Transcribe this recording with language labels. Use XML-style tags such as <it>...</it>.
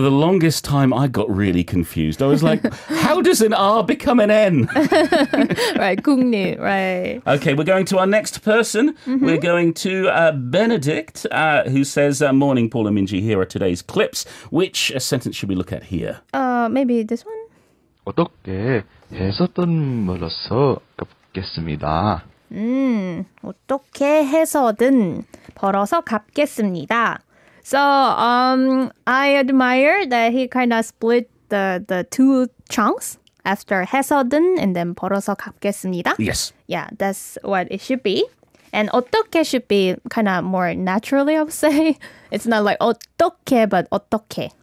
<en>the longest time, I got really confused. I was like, how does an R become an N? Right, guknip, right. Okay, we're going to our next person. Mm-hmm. We're going to Benedict, who says, morning, Paul and Minji, here are today's clips. Which sentence should we look at here? Maybe this one?</en> <ko>어떻게 해서든 벌어서 갚겠습니다. 어떻게 해서든 벌어서 갚겠습니다.</ko> <en>So, I admire that he kind of split the two chunks after</en> <ko>해서든</ko> <en>and then</en> <ko>벌어서 갚겠습니다.</ko> <en>Yes. Yeah, that's what it should be. And 어떻게 should be kind of more naturally, I would say. It's not like 어떻게, but 어떻게.</en>